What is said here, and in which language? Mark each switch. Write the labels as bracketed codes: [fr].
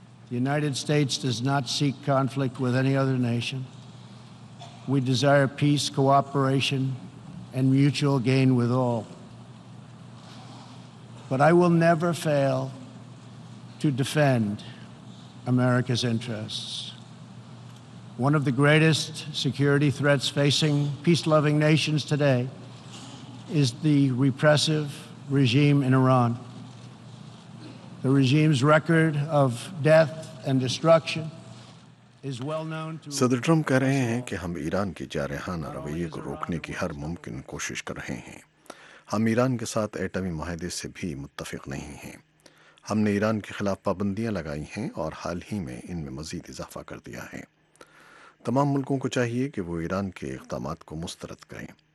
[en] United States does not seek conflict with any other nation, we desire peace, cooperation and mutual gain with all, but I will never fail to defend America's interests. One of the greatest security threats facing peace-loving nations today is the repressive regime in Iran. The regime's record of death and destruction is well known to [ur] صدر Trump کہہ رہے ہیں کہ ہم ایران کے جارحانہ رویے کو روکنے کی ہر ممکن کوشش کر رہے ہیں۔ ہم ایران کے ساتھ ایٹمی معاہدے سے بھی متفق نہیں ہیں۔ ہم نے ایران کے خلاف پابندیاں لگائی ہیں اور حال ہی میں ان میں مزید اضافہ کر دیا ہے۔ تمام ملکوں کو چاہیے کہ وہ ایران کے اقدامات کو مسترد کریں۔